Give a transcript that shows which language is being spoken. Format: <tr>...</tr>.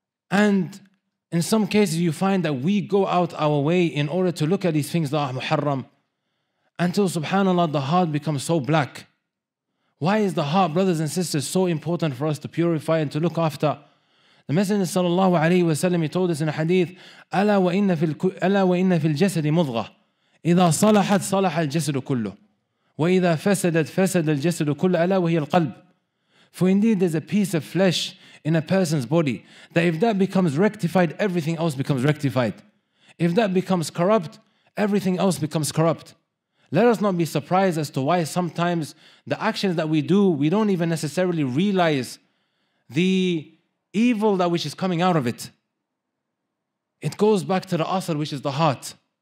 <en>And in some cases, you find that we go out our way in order to look at these things that are muharram, until subhanAllah, the heart becomes so black. Why is the heart, brothers and sisters, so important for us to purify and to look after? The Messenger sallallahu alayhi wa sallam, he told us in a hadith,</en> <ar>أَلَا وَإِنَّ فِي الْجَسَدِ مُضْغَةً إِذَا صَلَحَتْ صَلَحَ الْجَسَدُ كُلُّهُ وَإِذَا فَسَدَتْ فَسَدَ الْجَسَدُ كُلُّهُ أَلَا وَهِيَ الْقَلْبُ.</ar> <en>For indeed, there's a piece of flesh in a person's body, that if that becomes rectified, everything else becomes rectified. If that becomes corrupt, everything else becomes corrupt. Let us not be surprised as to why sometimes the actions that we do, we don't even necessarily realize the evil that which is coming out of it. It goes back to the asr, which is the heart.</en>